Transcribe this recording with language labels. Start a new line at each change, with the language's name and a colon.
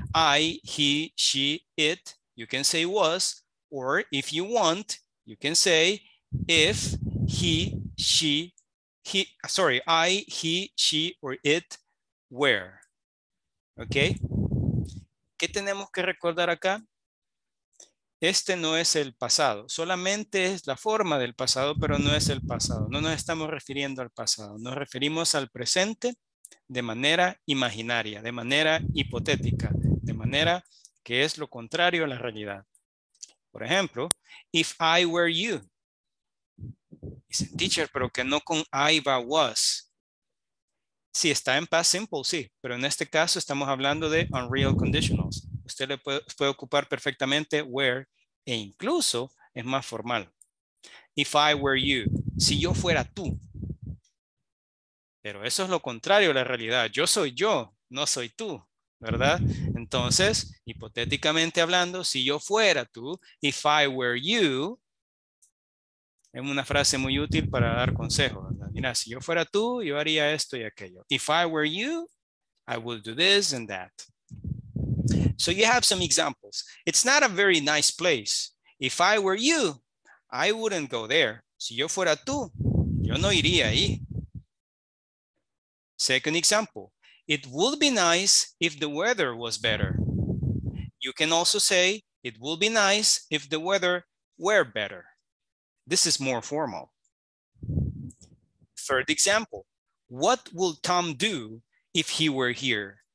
English: I, he, she, it, you can say was, or if you want, you can say if he, she, he, sorry, I, he, she, or it, where, okay?
Spanish: ¿Qué tenemos que recordar acá? Este no es el pasado, solamente es la forma del pasado, pero no es el pasado. No nos estamos refiriendo al pasado, nos referimos al presente de manera imaginaria, de manera hipotética, de manera que es lo contrario a la realidad. Por ejemplo,
English: if I were you.
Spanish: Dicen, teacher, pero que no con I va was. Sí, está en past simple, sí, pero en este caso estamos hablando de unreal conditionals. Usted le puede ocupar perfectamente where e incluso es más formal.
English: If I were you,
Spanish: si yo fuera tú. Pero eso es lo contrario a la realidad. Yo soy yo, no soy tú, ¿verdad? Entonces, hipotéticamente hablando, si yo fuera tú,
English: if I were you,
Spanish: es una frase muy útil para dar consejos, ¿verdad? Mira, si yo fuera tú, yo haría esto y aquello.
English: If I were you, I would do this and that. So you have some examples. It's not a very nice place. If I were you, I wouldn't go there.
Spanish: Si yo fuera tú, yo no iría ahí.
English: Second example, it would be nice if the weather was better. You can also say, it would be nice if the weather were better. This is more formal. Third example, what would Tom do if he were here?